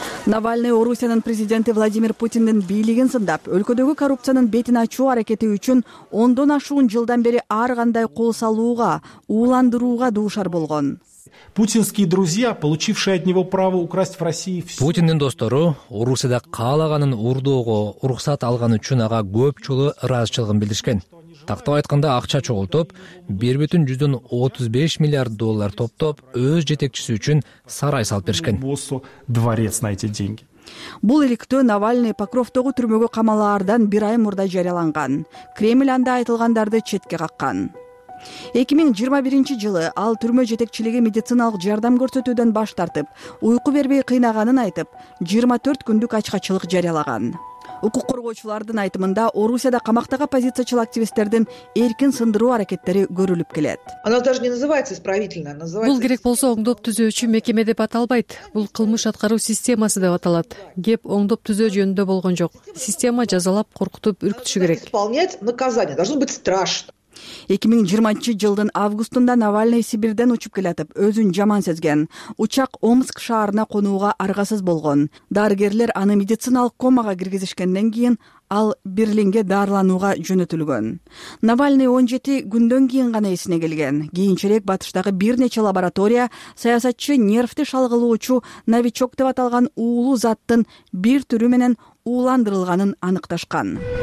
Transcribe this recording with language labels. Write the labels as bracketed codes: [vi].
[ky] Навальный Орусиянын президенти Владимир Путиндин бийлигин сындап, өлкөдөгү коррупциянын бетин ачуу аракети үчүн 10 ашуун жылдан бери ар кандай кол салууга, ууландырууга дуушар болгон. [ru] Путинские друзья, получившие от него право украсть в России всё. [ky] Путиндин достору Орусияда каалаганын урдоого уруксат алган үчүн ага көп жолу ыраазычылыгын билдиришкен. Тактап айтканда, акча чогултуп, 1,35 миллиард доллар топтоп, өз жетекчиси үчүн сарай салып беришкен. Бул иликтөө Навальный Покровтогу түрмөгө камалаардан бир ай мурда жарыяланган. Кремль анда айтылгандарды четке каккан. 2021 жылы ал түрмө жетекчилиги медициналык жардам көрсөтүүдөн баш тартып, уйку бербей кыйнаганын айтып, 24 күндүк ачкачылык жарыялаган. Укук коргоочулардын айтымында Орусияда камактагы оппозициячыл активисттердин эркин сындыруу аракеттери көрүлүп келет. [ru] Она даже не называется исправительная, называется. [ky] Бул керек болсо оңдоп түзөөчү мекеме деп аталбайт. Бул кылмыш аткаруу системасы деп аталат. Кеп оңдоп түзөө жөнүндө болгон жок. Система жазалап, коркутуп, үркүтүшү керек. [ru] Исполнять наказание должно быть страшно. [ky] 2020 жылдын августунда Навальный Сибирден учуп келатып, өзүн жаман сезген. Учак Омск шаарына конууга аргасыз болгон. Дарыгерлер аны медициналык комага киргизишкенден кийин ал Берлинге дарыланууга жөнөтүлгөн. Навальный 17 күндөн кийин гана эсине келген. Кийинчерээк батыштагы бир нече лаборатория саясатчы нервти шалгылоочу новичок деп аталган уулуу заттын бир түрү менен ууландырылганын аныкташкан.